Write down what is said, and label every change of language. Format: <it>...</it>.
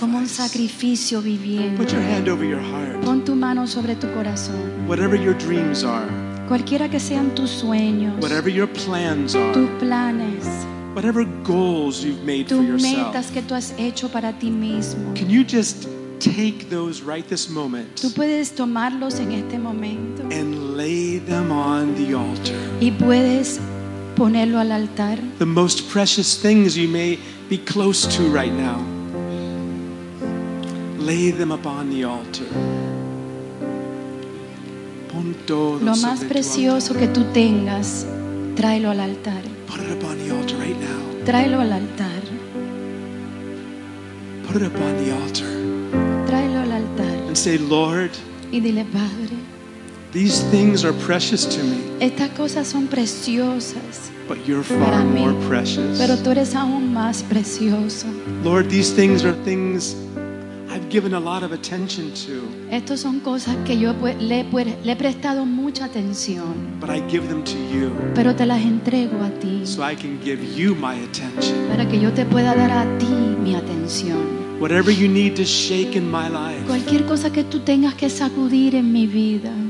<es>Como un sacrificio viviente.</es> <en>Put your hand over your heart.</en> <es>Pon tu mano sobre tu corazón.</es> <en>Whatever your dreams are.</en> <es>Cualquiera que sean tus sueños.</es> <en>Whatever your plans are.</en> <es>Tus planes.</es> <en>Whatever goals you've made for yourself.</en> <es>Tus metas que tú has hecho para ti mismo.</es> <en>Can you just take those right this moment?</en> <es>Tú puedes tomarlos en este momento.</es> <en>And lay them on the altar.</en> <es>Y puedes ponerlo al altar.</es> <en>The most precious things you may be close to right now. Lay them upon the altar.</en> <es>Pon todo. Lo más precioso que tú tengas, tráelo al altar.</es> <en>Put it upon the altar right now.</en> <es>Tráelo al altar.</es> <en>Put it upon the altar.</en> <es>Tráelo al altar.</es> <en>And say, Lord.</en> <es>Y dile, Padre.</es> <en>These things are precious to me.</en> <es>Estas cosas son preciosas.</es> <en>But you're far more precious.</en> <es>Pero tú eres aún más precioso.</es> <en>Lord, these things are things I've given a lot of attention to.</en> <es>Estos son cosas que yo le he prestado mucha atención.</es> <en>But I give them to you.</en> <es>Pero te las entrego a ti.</es> <en>So I can give you my attention.</en> <es>Para que yo te pueda dar a ti mi atención.</es> <en>Whatever you need to shake in my life.</en> <es>Cualquier cosa que tú tengas que sacudir en mi vida.</es>